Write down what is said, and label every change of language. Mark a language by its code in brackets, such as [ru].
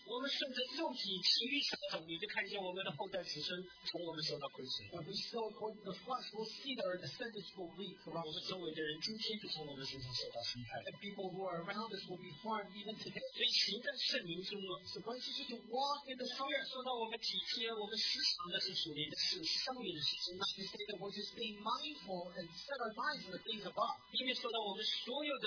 [zh] 我们顺着肉体持续撒种，你就看见我们的后代子孙从我们受到亏损。 [en] If we sow according to the flesh, we'll see that our descendants will reap corruption. [zh] 我们周围的人今天就从我们身上受到伤害。 [en] And people who are around us will be harmed even today. [zh] 所以行在圣灵中啊。 [en] So when you just walk in the Spirit, [zh] 说到我们体贴，我们思想的是属灵的，是上面的事情。 [en] Not to say that we're just being mindful and set our minds on the things above.